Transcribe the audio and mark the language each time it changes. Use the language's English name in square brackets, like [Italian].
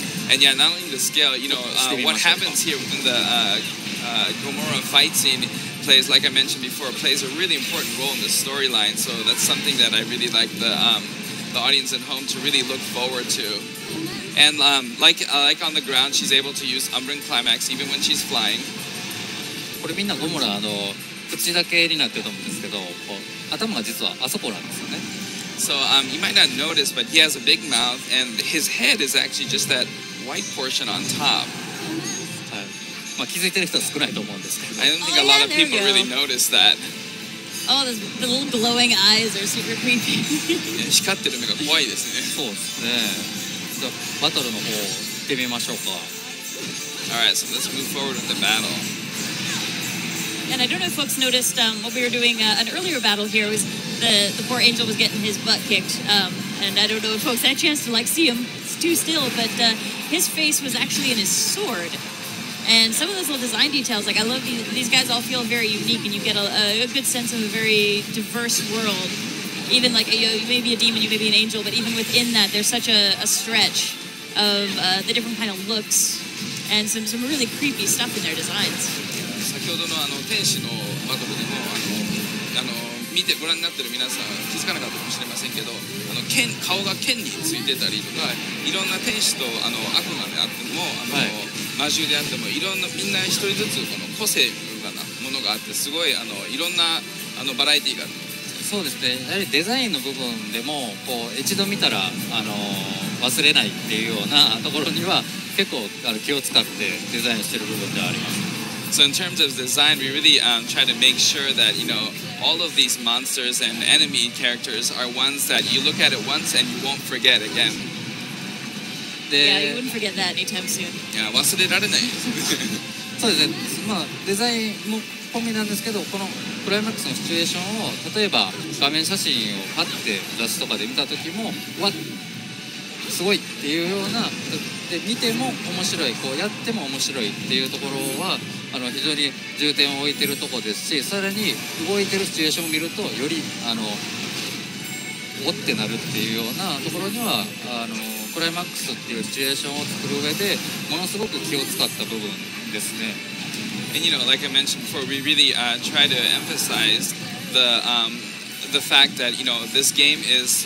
[English] And yeah, not only the scale, you know, what happens here within the Gomorrah fight scene plays, like I mentioned before, plays a really important role in the storyline. So that's something that I really like the audience at home to really look forward to. And like on the ground, she's able to use Umbran Climax even when she's flying. [Japanese] これみんなゴモラあの口だけになってると思うんですけど、頭が実はあそこなんですよね。 [English] So you might not notice, but he has a big mouth, and his head is actually just that white portion on top. [Japanese] はい。まあ気づいてる人は少ないと思うんですけど。 [English] I don't think a lot of people really notice that. Oh, the little glowing eyes are super creepy. [Japanese] 光ってる目が怖いですね。そうですね。バトルの方行ってみましょうか。 [English] Alright, so let's move forward with the battle. And I don't know if folks noticed what we were doing an earlier battle here was the poor angel was getting his butt kicked. And I don't know if folks had a chance to like see him too still, but his face was actually in his sword. And some of those little design details, like I love these guys all feel very unique and you get a good sense of a very diverse world. Even like, you know, you may be a demon, you may be an angel, but even within that, there's such a stretch of the different kind of looks and some really creepy stuff in their designs. [Japanese] 先ほどのあの天使のバトルでもあの見てご覧になってる皆さん気づかなかったかもしれませんけど、あの剣顔が剣についてたりとか、いろんな天使とあの悪魔であっても、あの、はい、魔獣であっても、いろんなみんな一人ずつこの個性なものがあって、すごいあのいろんなあのバラエティーが。そうですね、やはりデザインの部分でもこう一度見たら忘れないっていうようなところには結構気を使ってデザインしてる部分ではあります。 [English] So in terms of design, we really try to make sure that you know all of these monsters and enemy characters are ones that you look at it once and you won't forget again. Yeah, you wouldn't forget that anytime soon. [Japanese] Yeah, 忘れられない。そうですね、まあデザインも込みなんですけどこの。クライマックスのシチュエーションを例えば画面写真をパッて雑誌とかで見た時もわっすごいっていうようなで見ても面白いこうやっても面白いっていうところはあの非常に重点を置いてるとこですしさらに動いてるシチュエーションを見るとよりあのおってなるっていうようなところにはあのクライマックスっていうシチュエーションを作る上でものすごく気を使った部分ですね。 [English] And you know, like I mentioned before, we really try to emphasize the fact that, you know, this game is...